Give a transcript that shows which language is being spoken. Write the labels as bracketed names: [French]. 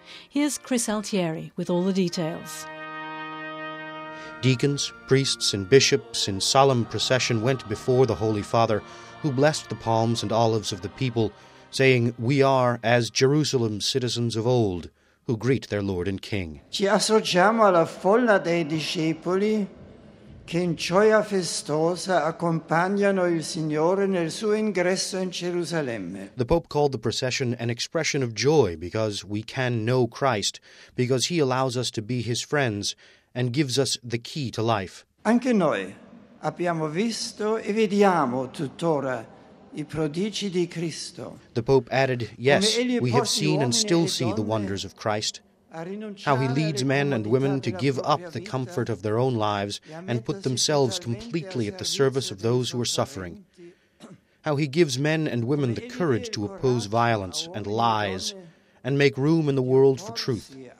[English] Here's Chris Altieri with all the details. Deacons, priests, and bishops in solemn procession went before the Holy Father, who blessed the palms and olives of the people, saying, "We are as Jerusalem's citizens of old, who greet their Lord and King. [Italian] Ci associamo alla folla dei discepoli che in gioia festosa accompagnano il Signore nel suo ingresso in Gerusalemme. [English] The Pope called the procession an expression of joy because we can know Christ, because he allows us to be his friends and gives us the key to life. [Italian] Anche noi abbiamo visto e vediamo tuttora i prodigi di Cristo. [English] The Pope added, yes, we have seen and still see the wonders of Christ, how he leads men and women to give up the comfort of their own lives and put themselves completely at the service of those who are suffering, how he gives men and women the courage to oppose violence and lies and make room in the world for truth,